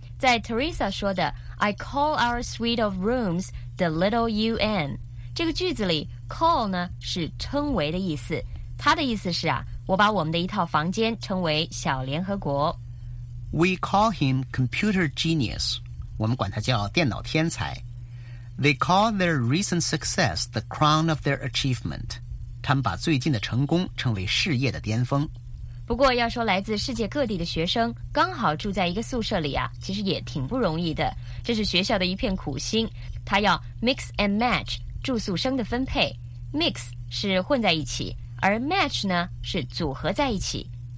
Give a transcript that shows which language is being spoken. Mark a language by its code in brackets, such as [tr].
[zh] 在 Teresa 说的 [en] I call our suite of rooms the little UN [zh] 这个句子里， call 呢是称为的意思，它的意思是啊，我把我们的一套房间称为小联合国。 [en] We call him computer genius. [zh] 我们管他叫电脑天才。 [en] They call their recent success the crown of their achievement. [zh] 他们把最近的成功称为事业的巅峰。不过要说来自世界各地的学生刚好住在一个宿舍里啊，其实也挺不容易的。这是学校的一片苦心，他要 [en] mix and match [zh] 住宿生的分配。 Mix 是混在一起，而 match 呢是组合在一起。